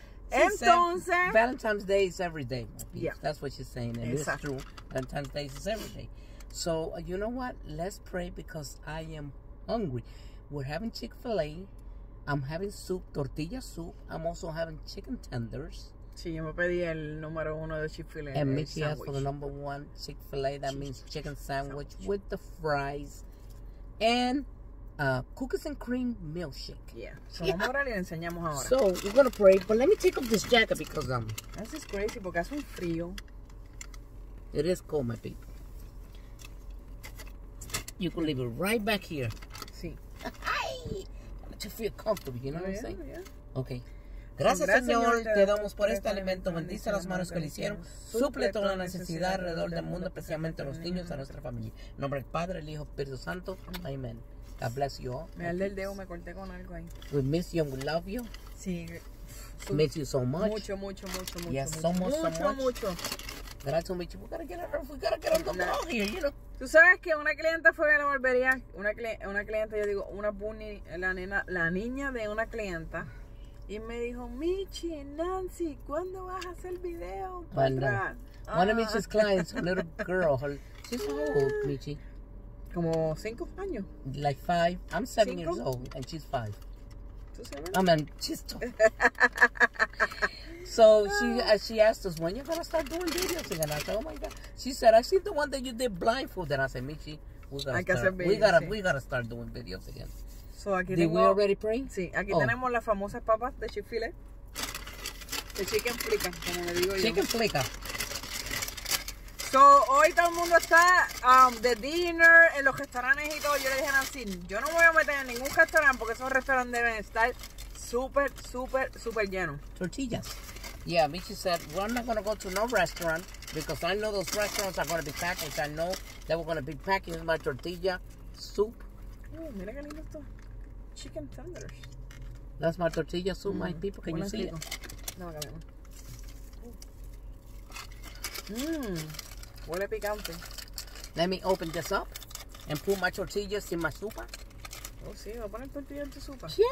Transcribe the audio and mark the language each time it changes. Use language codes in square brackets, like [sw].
[en] She entonces said, Valentine's Day is every day. Yeah. That's what she's saying. And exactly. It's true. Valentine's Day is every day. So, you know what? Let's pray because I am hungry. We're having Chick-fil-A. I'm having soup, tortilla soup. I'm also having chicken tenders. [es] Sí, yo me pedí el número uno de Chick-fil-A. [en] And Mickey asked for the number one Chick-fil-A. That Chick-fil-A means chicken sandwich with the fries. And cookies and cream milkshake. Yeah. So, yeah. [es] Enseñamos ahora. [en] So we're gonna pray, but let me take off this jacket because this is crazy [es] porque hace un frío. [en] It is cold, my people. You can leave it right back here. [es] Sí. [en] Ay, to feel comfortable, you know what I'm saying? Yeah. Okay. [es] Gracias, gracias Señor, te damos por este alimento. Bendice a las manos que lo hicieron. Suple toda la necesidad alrededor del mundo, especialmente a los niños, a nuestra familia. En nombre del Padre, el Hijo, Espíritu Santo. [en] Amén. God bless you all. [es] Me alde el dedo, me corté con algo ahí. [en] We miss you and we love you. [es] Sí. [en] Miss you so much. [es] Mucho. [en] Yes, so much. [es] Mucho. Gracias, Michi. [en] We gotta get on the road here, you know. [es] Tú sabes que una clienta fue a la barbería. Una clienta, la niña de una clienta. Y me dijo, Michi, Nancy, ¿cuándo vas a hacer video? [en] Bueno, one of Michi's clients, a little girl, she's old, Michi. [es] Como 5 años. [en] Like 5. I'm 7 years old and she's 5. [es] ¿Tú sabes? [en] I mean, she's 2. So she asked us, when you gonna start doing videos? And I said, oh my God. She said, I see the one that you did blindfold. And I said, Michi, we gotta start doing videos again. [es] So aquí [en] did [es] tengo, [en] we already pray? [es] Sí, aquí tenemos las famosas papas de chifile. De chicken flica, como le digo [en] chicken [es] yo. [en] Chicken flica. [es] So, hoy todo el mundo está de dinner en los restaurantes y todo. Yo le dije a Nancy, yo no me voy a meter en ningún restaurante porque esos restaurantes deben estar súper, súper, súper llenos. Tortillas. [en] Yeah, Michi said, well, I'm not going to go to no restaurant because I know those restaurants are going to be packed. Which I know that we're going to be packing my tortilla soup. [es] Mira qué lindo esto. [en] Chicken tenders. That's my tortilla soup, my people. Can you see it? [es] No, acá vemos. Huele picante. [en] Let me open this up and put my tortillas in my sopa. [es] Oh, sí, voy a poner tortillas en tu sopa.